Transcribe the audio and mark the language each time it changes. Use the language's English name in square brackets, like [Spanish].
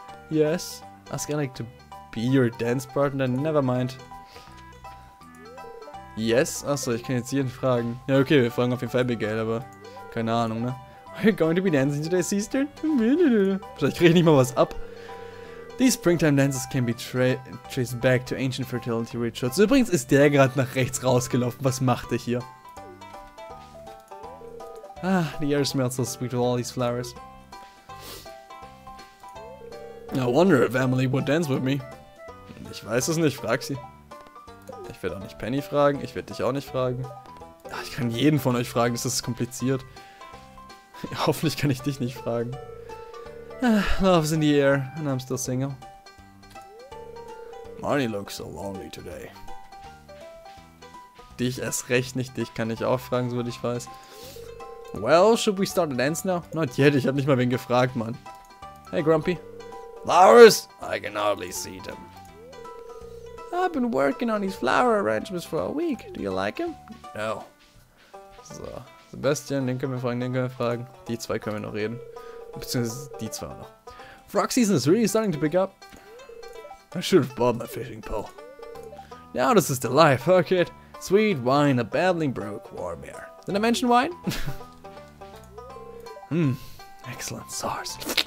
[English] Yes, ask Alec to be your dance partner. Never mind. [German] Yes? Achso, ich kann jetzt jeden fragen. Ja, okay, wir fragen auf jeden Fall Abigail, aber keine Ahnung, ne? [English] Are you going to be dancing today, sister? [German] Vielleicht kriege ich nicht mal was ab. [English] These springtime dances can be traced back to ancient fertility rituals. [German] Übrigens ist der gerade nach rechts rausgelaufen. Was macht er hier? [English] Ah, the air smells so sweet with all these flowers. I wonder if Emily would dance with me. [German] Ich weiß es nicht, frag sie. Ich werde auch nicht Penny fragen, ich werde dich auch nicht fragen. Ach, ich kann jeden von euch fragen, das ist kompliziert. Hoffentlich kann ich dich nicht fragen. [English] Love's in the air, and I'm still single. Marnie looks so lonely today. [German] Dich erst recht nicht, dich kann ich auch fragen, soweit ich weiß. [English] Well, should we start a dance now? Not yet, [German] ich hab nicht mal wen gefragt, Mann. Hey, Grumpy. [English] Flowers! I can hardly see them. I've been working on these flower arrangements for a week. Do you like them? No. [German] So, Sebastian, den können wir fragen, den können wir fragen. Die zwei können wir noch reden. Beziehungsweise die zwei noch. [English] Frog season is really starting to pick up. I should have bought my fishing pole. Now this is the life, fuck it. Sweet wine, a babbling brook, warm air. Did I mention wine? Hmm, excellent SARS.